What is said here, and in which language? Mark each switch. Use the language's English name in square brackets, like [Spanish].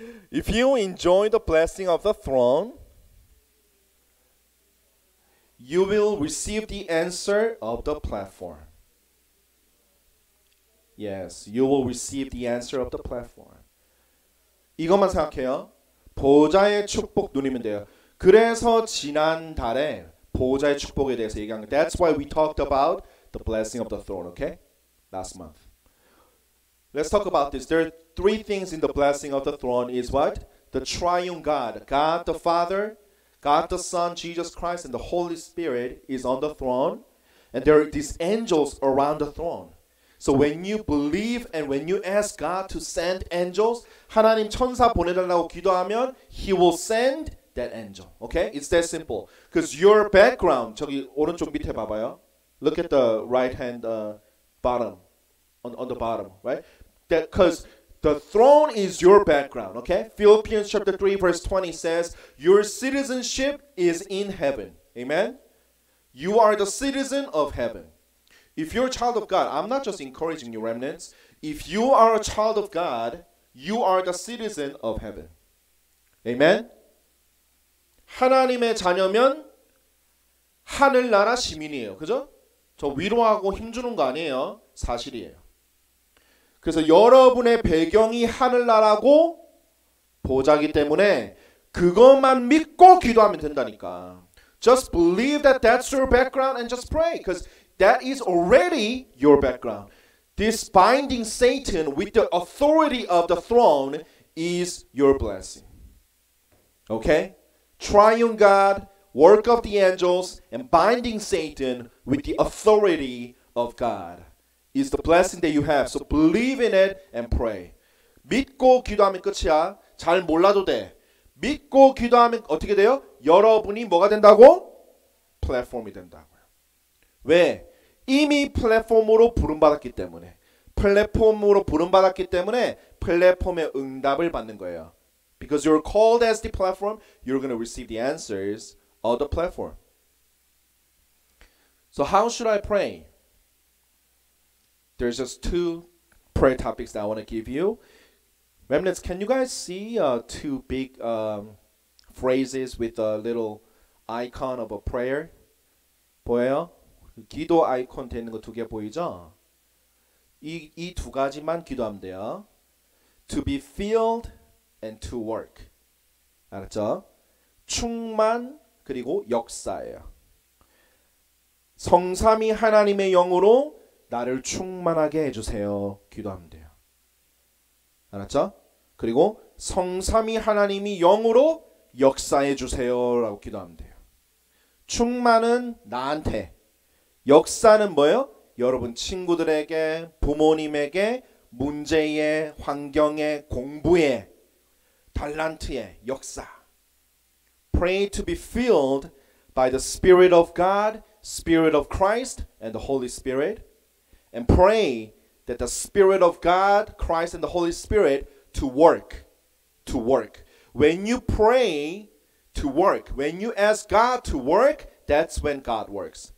[English] If you enjoy the blessing of the throne, you will receive the answer of the platform. Yes, you will receive the answer of the platform. [Korean] 이것만 생각해요. 보좌의 축복 누리면 돼요. 그래서 지난달에 보좌의 축복에 대해서 얘기한 거예요. [English] That's why we talked about the blessing of the throne, okay? Last month. Let's talk about this. There are three things in the blessing of the throne is what? The triune God, God the Father, God the Son, Jesus Christ, and the Holy Spirit is on the throne. And there are these angels around the throne. So when you believe and when you ask God to send angels, [Korean] 하나님 천사 보내달라고 기도하면, [English] He will send that angel. Okay? It's that simple. Because your background, [Korean] 저기 오른쪽 밑에 봐봐요. [English] Look at the right hand bottom. On the bottom, right? Because the throne is your background, okay? Philippians chapter 3 verse 20 says, your citizenship is in heaven, amen? You are the citizen of heaven. If you're a child of God, I'm not just encouraging you, remnants. If you are a child of God, you are the citizen of heaven, amen? [Korean] 하나님의 자녀면 하늘나라 시민이에요, 그죠? 저 위로하고 힘주는 거 아니에요? 사실이에요. 그래서 여러분의 배경이 하늘나라고 보좌기 때문에 그것만 믿고 기도하면 된다니까. [English] Just believe that that's your background and just pray. Because that is already your background. This binding Satan with the authority of the throne is your blessing. Okay? Triune God, work of the angels, and binding Satan with the authority of God. Is the blessing that you have. So believe in it and pray. [Korean] 믿고 기도하면 끝이야. 잘 몰라도 돼. 믿고 기도하면 어떻게 돼요? 여러분이 뭐가 된다고? 플랫폼이 된다고요. 왜? 이미 플랫폼으로 부름받았기 때문에. 플랫폼으로 부름받았기 때문에 플랫폼의 응답을 받는 거예요. [English] Because you're called as the platform, you're going to receive the answers of the platform. So how should I pray? There's just two prayer topics that I want to give you. Remnants, can you guys see two big phrases with a little icon of a prayer. [Korean] 보여요? 기도 아이콘 되는 거 두 개 보이죠? 이 두 가지만 기도하면 돼요. [English] To be filled and to work. [Korean] 알았죠? 충만 그리고 역사예요. 성삼위 하나님의 영으로 나를 충만하게 해주세요. 기도하면 돼요. 알았죠? 그리고 성삼위 하나님이 영으로 역사해 주세요. 라고 기도하면 돼요. 충만은 나한테. 역사는 뭐예요? 여러분 친구들에게, 부모님에게, 문제에, 환경에, 공부에, 달란트에, 역사. [English] Pray to be filled by the Spirit of God, Spirit of Christ, and the Holy Spirit. And pray that the Spirit of God, Christ, and the Holy Spirit to work. To work. When you pray to work, when you ask God to work, that's when God works.